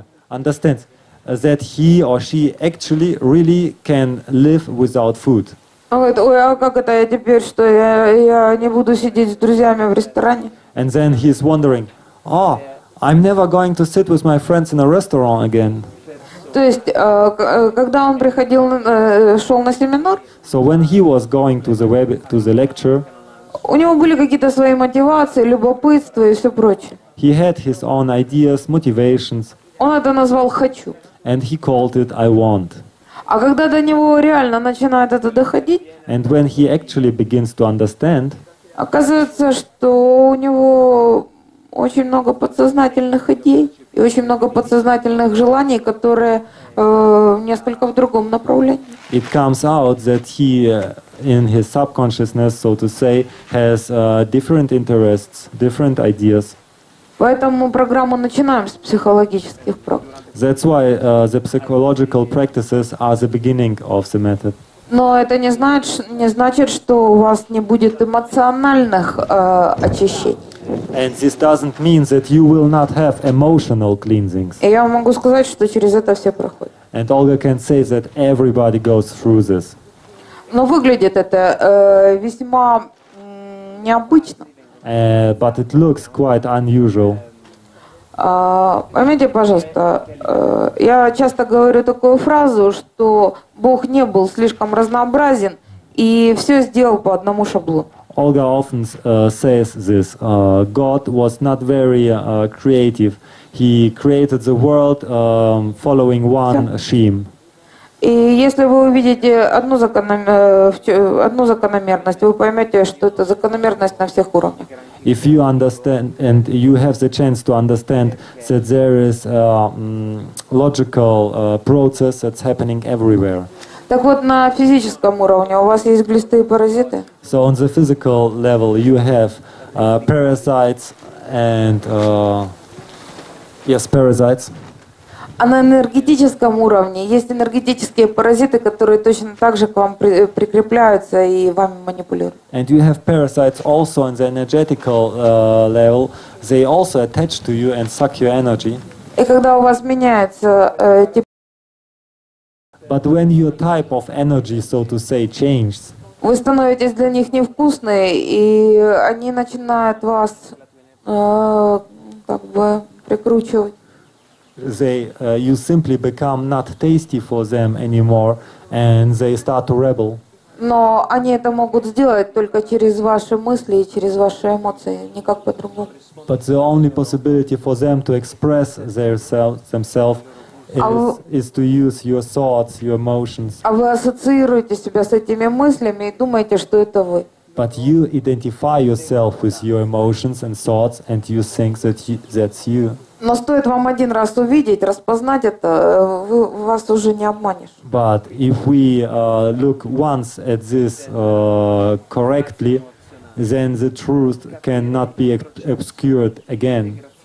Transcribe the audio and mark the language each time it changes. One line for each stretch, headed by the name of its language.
English: understands that he or she actually really can live without food.
Russian: Он говорит, ой, а как это я теперь, что я не буду сидеть с друзьями в ресторане?
English: And then he's wondering, oh, I'm never going to sit with my friends in a restaurant again.
Russian: То есть, когда он приходил, шел на семинар,
English: so when he was going to the lecture,
Russian: у него были какие-то свои мотивации, любопытство и все прочее.
English: He had his own ideas, motivations.
Russian: Он это назвал «хочу».
English: And he called it «I want».
Russian: А когда до него реально начинает это доходить,
English: and when he actually begins to understand,
Russian: оказывается, что у него очень много подсознательных идей. И очень много подсознательных желаний, которые несколько в другом направлении.
English: It comes out that he in his subconsciousness, so to say, has different interests, different ideas.
Russian: Поэтому программу начинаем с психологических практик.
English: That's why the psychological practices are the beginning of the method.
Russian: Но это не значит, что у вас не будет эмоциональных очищений.
English: And this doesn't mean that you will not have emotional cleansings.
Russian: Я могу сказать, что через это все проходят.
English: And Olga can say that everybody goes through this.
Russian: Но выглядит это весьма необычно.
English: But it looks quite unusual.
Russian: Поймите, пожалуйста, я часто говорю такую фразу, что Бог не был слишком разнообразен и все сделал по одному шаблону.
English: Olga often says this, God was not very creative. He created the world following one scheme.
Russian: И если вы увидите одну закономерность, вы поймете, что это закономерность на всех уровнях.
English: If you understand and you have the chance to understand that there is a logical process that's happening everywhere.
Russian: Так вот, на физическом уровне у вас есть глисты и паразиты?
English: So on the physical level you have parasites and Yes, parasites.
Russian: А на энергетическом уровне есть энергетические паразиты, которые точно так же к вам прикрепляются и вами манипулируют.
English: And you have parasites also on the energetical level. They also attach to you and suck your energy.
Russian: И когда у вас меняется тип...
English: But when your type of energy, so to say, changes...
Russian: Вы становитесь для них невкусной, и они начинают вас как бы прикручивать.
English: They, you simply become not tasty for them anymore, and they start to rebel.
Russian: Но они это могут сделать только через ваши мысли и через ваши эмоции, никак по-другому.
English: But the only possibility for them to express themselves is to use your thoughts, your emotions.
Russian: А вы ассоциируете себя с этими мыслями и думаете, что это вы.
English: But you identify yourself with your emotions and thoughts, and you think that that's you.
Russian: Но стоит вам один раз увидеть, распознать это, вы, вас уже не обманешь.
English: But if we look once at this correctly, then the truth cannot be obscured again.